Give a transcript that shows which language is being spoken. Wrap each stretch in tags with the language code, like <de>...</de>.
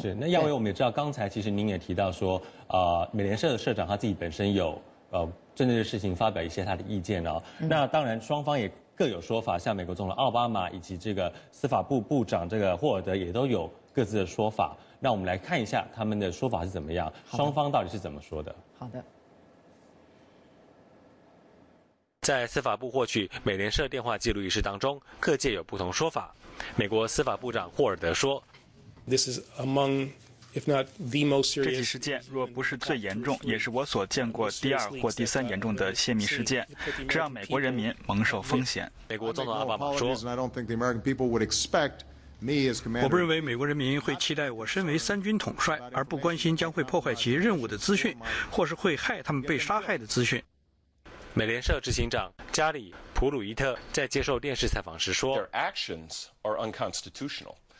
<zh>是，那耀威，我们也知道刚才其实您也提到说，美联社的社长他自己本身有针对这事情发表一些他的意见那当然双方也各有说法，像美国总统奥巴马以及这个司法部部长这个霍尔德也都有各自的说法。那我们来看一下他们的说法是怎么样，双方到底是怎么说的。好的。在司法部获取美联社电话记录一事当中，各界有不同说法。美国司法部长霍尔德说</zh> <en>This is among if not the most serious</en> <zh>这起事件若不是最严重，也是我所见过第二或第三严重的泄密事件，这让美国人民蒙受风险。美国总统奥巴马说</zh> <en>I don't think the American people would expect me as commander</en> <zh>我不认为美国人民会期待我身为三军统帅而不关心将会破坏其任务的资讯，或是会害他们被杀害的资讯。美联社执行长加里·普鲁伊特在接受电视采访时说</zh> <en>Their actions are unconstitutional.</en>